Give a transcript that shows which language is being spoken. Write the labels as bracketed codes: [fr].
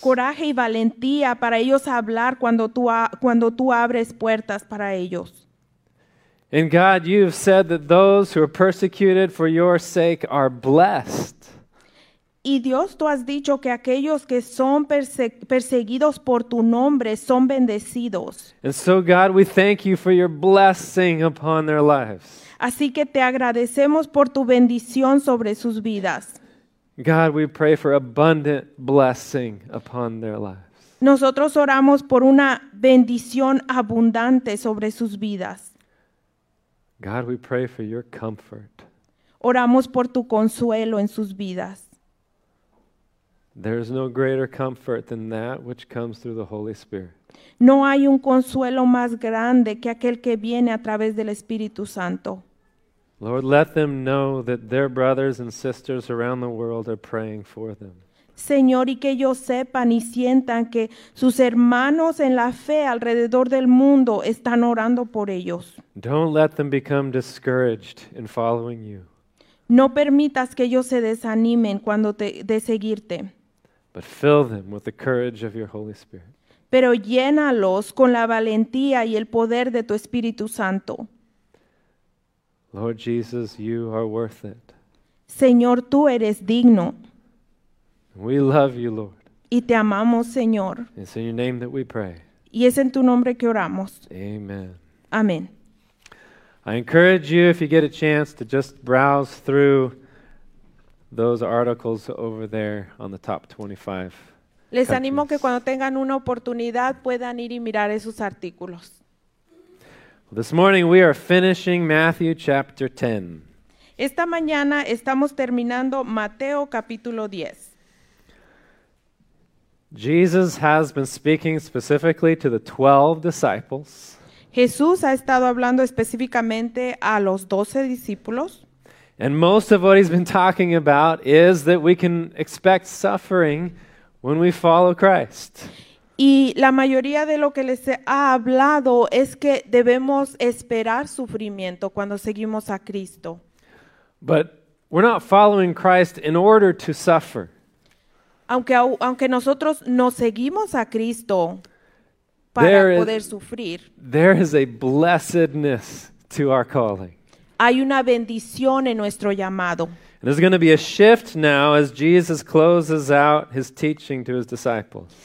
[es] Coraje y valentía para ellos hablar cuando tú abres puertas para ellos. [en] And God, you've said that those who are persecuted for your sake are blessed. [es] Y Dios, tú has dicho que aquellos que son perseguidos por tu nombre son bendecidos. [en] And so God, we thank you for your blessing upon their lives. [es] Así que te agradecemos por tu bendición sobre sus vidas. [en] God, we pray for abundant blessing upon their lives. [es] Nosotros oramos por una bendición abundante sobre sus vidas. [en] God, we pray for your comfort. [es] Oramos por tu consuelo en sus vidas. [en] There is no greater comfort than that which comes through the Holy Spirit. [es] No hay un consuelo más grande que aquel que viene a través del Espíritu Santo. [en] Lord, let them know that their brothers and sisters around the world are praying for them. [es] Señor, y que ellos sepan y sientan que sus hermanos en la fe alrededor del mundo están orando por ellos. [en] Don't let them become discouraged in following you. [es] No permitas que ellos se desanimen de seguirte. [en] But fill them with the courage of your Holy Spirit. [es] Pero llénalos con la valentía y el poder de tu Espíritu Santo. [en] Lord Jesus, you are worth it. [es] Señor, tú eres digno. [en] We love you, Lord. [es] Y te amamos, Señor. [en] It's in your name that we pray. [es] Y es en tu nombre que oramos. [en] Amen. [es] Amen. [en] I encourage you, if you get a chance, to just browse through those articles over there on the top 25. [es] Les animo que cuando tengan una oportunidad puedan ir y mirar esos artículos. [en] This morning we are finishing Matthew chapter 10. [es] Esta mañana estamos terminando Mateo capítulo 10. [en] Jesus has been speaking specifically to the 12 disciples. [es] Jesús ha estado hablando específicamente a los 12 discípulos. [en] And most of what he's been talking about is that we can expect suffering when we follow Christ. [es] Y la mayoría de lo que les ha hablado es que debemos esperar sufrimiento cuando seguimos a Cristo. [en] But we're not following Christ in order to suffer. [es] Aunque nosotros no seguimos a Cristo para poder sufrir. [en] There is a blessedness to our calling. [es] Hay una bendición en nuestro llamado. [en] There's going to be a shift now as Jesus closes out his teaching to his disciples.